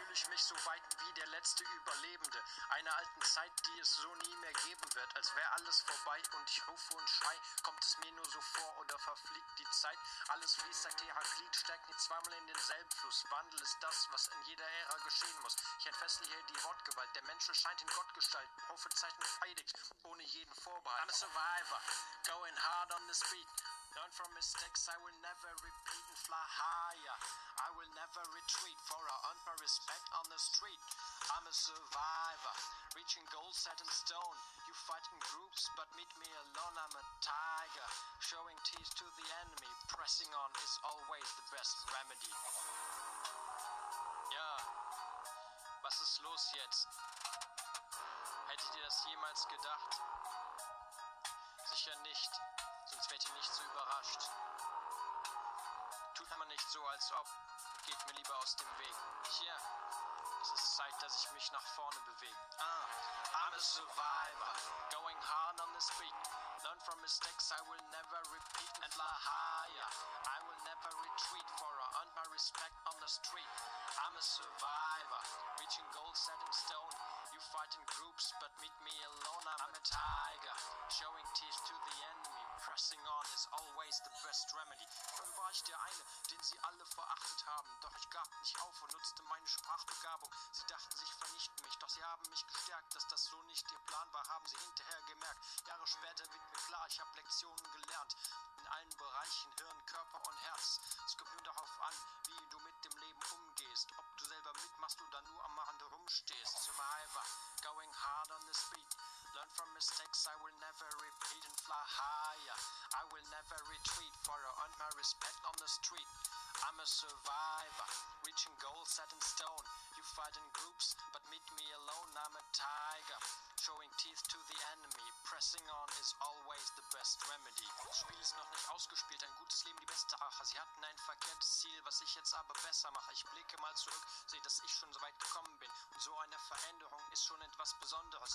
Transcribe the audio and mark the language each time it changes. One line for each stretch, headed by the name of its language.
German: sich so weit wie der letzte Überlebende einer alten Zeit, die es so nie mehr geben wird, als wäre alles vorbei und ich rufe und schrei, kommt es mir nur so vor oder verfliegt die Zeit, alles wie es seit Heraklit steigt nicht zweimal in denselben Fluss, Wandel ist das, was in jeder Ära geschehen muss, ich entfessle hier die Wortgewalt, der Mensch scheint in Gottgestalt, Prophezeiten feidigt, ohne jeden Vorbehalt,
English: I'm a survivor, going hard on this beat, learn from mistakes, I will never repeat and fly higher. I will never retreat, for I earned my respect on the street. I'm a survivor, reaching goals set in stone. You fight in groups, but meet me alone, I'm a tiger. Showing teeth to the enemy, pressing on is always the best remedy.
German: Ja, was ist los jetzt? Hättet ihr das jemals gedacht? Sicher nicht. Sonst werdet ihr nicht so überrascht. Tut man nicht so, als ob. Geht mir lieber aus dem Weg. Tja, es ist Zeit, dass ich mich nach vorne bewege.
English: I'm a survivor, going hard on the street. Learn from mistakes, I will never repeat and fly higher. I will never retreat, for I earned my respect on the street. I'm a survivor, reaching goals set in stone. You fight in groups, but meet me alone. I'm a tiger, showing teeth to the enemy. Pressing on is always the best remedy.
German: Früher war ich der eine, den sie alle verachtet haben. Doch ich gab nicht auf und nutzte meine Sprachbegabung. Sie dachten, sie vernichten mich, doch sie haben mich gestärkt. Dass das so nicht ihr Plan war, haben sie hinterher gemerkt. Jahre später wird mir klar, ich hab Lektionen gelernt. In allen Bereichen, Hirn, Körper und Herz. Es kommt nur darauf an, wie du mit dem Leben umgehst. Ob du selber mitmachst oder nur am Rande rumstehst.
English: Survivor, going hard on the speed. Learn from mistakes, I will never repeat and fly higher. I will never retreat, for I earned my respect on the street. I'm a survivor, reaching goals set in stone. You fight in groups, but meet me alone. I'm a tiger, showing teeth to the enemy. Pressing on is always the best remedy.
German: Das Spiel ist noch nicht ausgespielt, ein gutes Leben, die beste Rache. Sie hatten ein verkehrtes Ziel, was ich jetzt aber besser mache. Ich blicke mal zurück, sehe, dass ich schon so weit gekommen bin. Und so eine Veränderung ist schon etwas Besonderes.